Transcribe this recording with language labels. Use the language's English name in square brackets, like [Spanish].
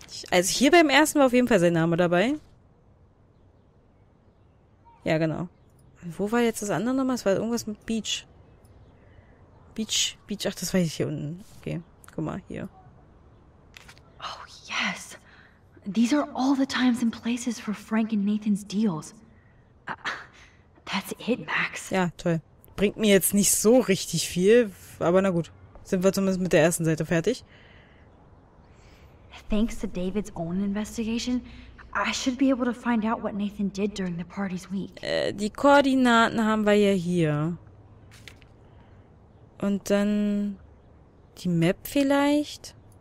[German] Also hier beim ersten war auf jeden Fall sein Name dabei. Ja, genau. Und wo war jetzt das andere nochmal? Es war irgendwas mit Beach. Beach, ach, das war ich hier unten. Okay, guck mal, hier. [English] Oh, yes. These are all the times and places for Frank and Nathan's deals. That's it, Max. [German] Ja, toll. Bringt mir jetzt nicht so richtig viel, aber na gut. Sind wir zumindest mit der ersten Seite fertig. [English] Thanks to David's own investigation, I should be able to find out what Nathan did during the party's week. [German] Die Koordinaten haben wir ja hier. Und dann die Map vielleicht.